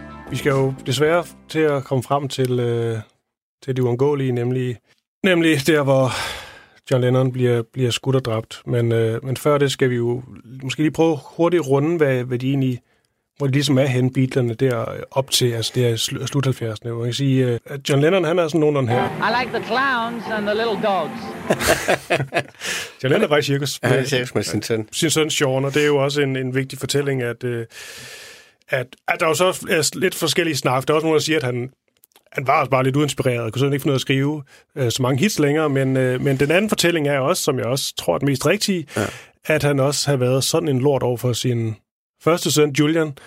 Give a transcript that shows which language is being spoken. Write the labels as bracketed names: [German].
[Danish] Vi skal jo desværre til at komme frem til det uundgåelige, nemlig der, hvor John Lennon bliver skudt og dræbt. Men før det skal vi jo måske lige prøve hurtigt runde, hvad de egentlig hvor det ligesom er hen, Beatlerne der op til, altså det er slut 70'erne. Man kan sige, at John Lennon, han er sådan nogen her. [English] I like the clowns and the little dogs. [Danish] John Lennon var i cirkus. Ja, han er i cirkus med sin søn. Sin søn Sean, og det er jo også en vigtig fortælling, at der er jo så lidt forskellige snak. Der er også nogen, der siger, at han var også bare lidt uinspireret, kunne sådan ikke få noget at skrive så mange hits længere, men den anden fortælling er også, som jeg også tror er mest rigtig, at han også har været sådan en lort over for sin første søn, Julian.